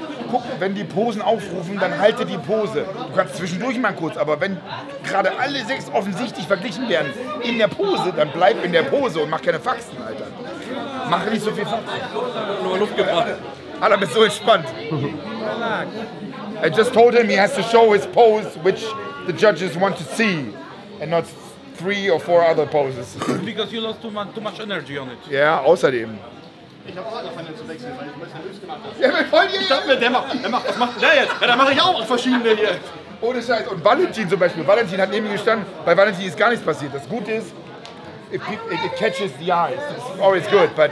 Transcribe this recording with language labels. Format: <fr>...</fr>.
<de>Guck, wenn die Posen aufrufen, dann halte die Pose. Du kannst zwischendurch mal kurz, aber wenn gerade alle sechs offensichtlich verglichen werden in der Pose, dann bleib in der Pose und mach keine Faxen, Alter. Mach nicht so viel Faxen. Nur Luft gebracht. Alter, bist du entspannt.</de> <en>I just told him he has to show his pose, which the judges want to see, and not 3 or 4 other poses. Because you lost too much energy on it.</en> <de>Ja, außerdem. Ich habe auch angefangen zu wechseln, weil ich besser nervös gemacht habe. Ja, wir wollen hier. Ich dachte mir, was macht der jetzt? Ja, da mache ich auch verschiedene hier. Ohne Scheiß. Und Valentin zum Beispiel. Valentin hat neben mir gestanden. Bei Valentin ist gar nichts passiert. Das Gute ist,</de> <en>it catches the eyes. It's always good.</en>